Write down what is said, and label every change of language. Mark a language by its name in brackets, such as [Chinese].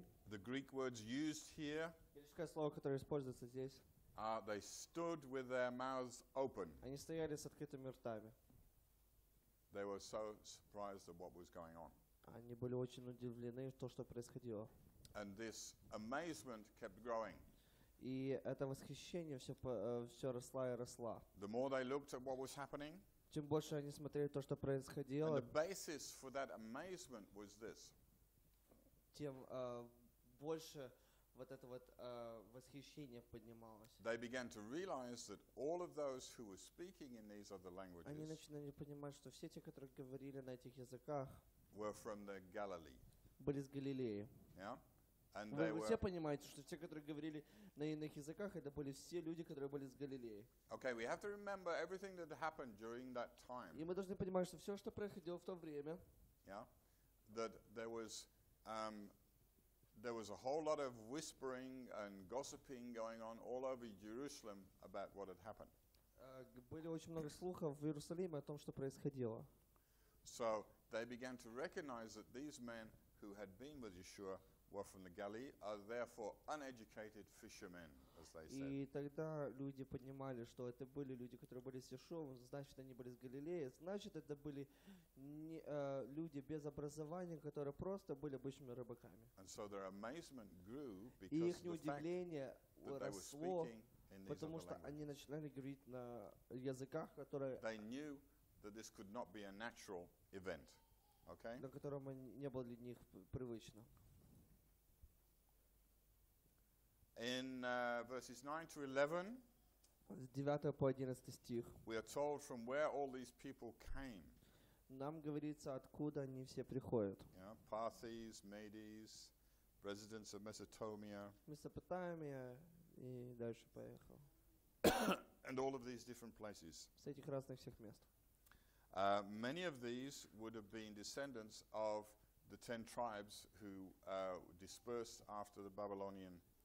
[English] The Greek words used here. [Russian] Греческое слово, которое используется здесь. [English] They stood with their mouths open. [Russian] Они стояли с открытыми ртами. [English] They were so surprised at what was going on. [Russian] Они были очень удивлены то, что происходило. [English] And this amazement kept growing. [Russian] И это восхищение все росло и росло. [English] The more they looked at what was happening. [Russian] Чем больше они смотрели то, что происходило. [English] And the basis for that amazement was this. [Russian] Тем больше вот это вот восхищение поднималось. [English] They began to realize that all of those who were speaking in these other languages. [Russian] Они начинали понимать, что все те, которые говорили на этих языках. [English] Were from the Galilee. [Russian] Были из Галилеи. [English] Yeah. And [Russian] вы все понимаете, что те, которые говорили на иных языках, это были все люди, которые были с Галилеи. [English] Okay, we have to remember everything that happened during that time. [Russian] И мы должны понимать, что все, что происходило в то время. [English] Yeah, that there was a whole lot of whispering and gossiping going on all over Jerusalem about what had happened. [Russian] Было очень много слухов в Иерусалиме о том, что происходило. [English] So they began to recognize that these men who had been with Yeshua. Were from the Galilee, are therefore uneducated fishermen, as they said. [Russian] И тогда люди понимали, что это были люди, которые были с Иешуа, значит, они были с Галилеи, значит, это были не люди без образования, которые просто были обычными рыбаками. [English] And so their amazement grew because [Russian] и их неудивление росло, потому что они начинали говорить на языках, которые. [English] They knew that this could not be a natural event, okay? [Russian] На котором не было для них привычно. [English] In verses 9 to 11, we are told from where all these people came. [Russian] Нам говорится, откуда они все приходят. [English] Yeah, Parthians, Medes, residents of Mesopotamia. [Russian] Месопотамия и дальше поехал. [English] And all of these different places. [Russian] С этих разных всех мест. [English] Many of these would have been descendants of the 10 tribes who dispersed after the Babylonian.